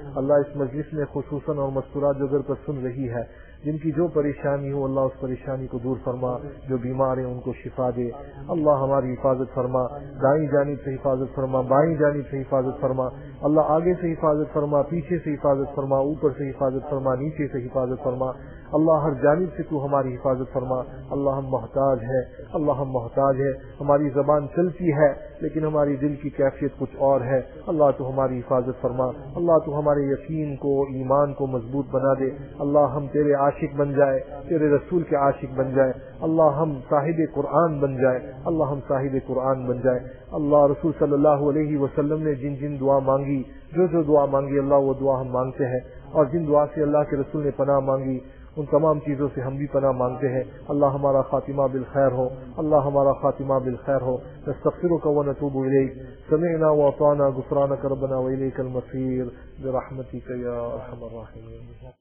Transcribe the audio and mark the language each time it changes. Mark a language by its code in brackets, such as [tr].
[ur] Allah is majlis mein khususan aur mastuurat jo ghar par sun rahi hai, جن کی جو پریشانی ہو اللہ اس پریشانی کو دور فرما، جو بیمار ہیں ان کو شفا دے. اللہ ہماری حفاظت فرما، دائیں جانب سے حفاظت فرما، بائیں جانب سے حفاظت فرما، اللہ آگے سے حفاظت فرما، پیچھے سے حفاظت فرما، اوپر سے حفاظت فرما، نیچے سے حفاظت فرما. اللہ ہر جانب سے تو ہماری حفاظت فرما. اللہ ہم محتاج ہے، اللہ ہم محتاج ہے. ہماری زبان چلتی ہے لیکن ہماری دل کی کیفیت کچھ اور ہے. اللہ تو ہماری حفاظت فرما، اللہ تو ہمارے یقین کو ایمان کو مضبوط بنا دے. اللہ ہم تیرے عاشق بن جائے، تیرے رسول کے عاشق بن جائے، اللہ ہم صاحب قرآن بن جائے، اللہ ہم صاحب قرآن بن جائے. اللہ رسول صلی اللہ علیہ وسلم نے جن جن دعا مانگی، جو جو دعا مانگی اللہ وہ دعا ہم مانگتے ہیں، اور جن دعا سے اللہ کے رسول نے پناہ مانگی ان تمام چیزوں سے ہم بھی پناہ مانگتے ہیں. اللہ ہمارا خاتمہ بالخیر ہو، اللہ ہمارا خاتمہ بالخیر ہو. [ar] نستغفرک و نتوب الیک، سمعنا و اطعنا، غفرانک ربنا و الیک المصیر، برحمتک یا ارحم الراحمین.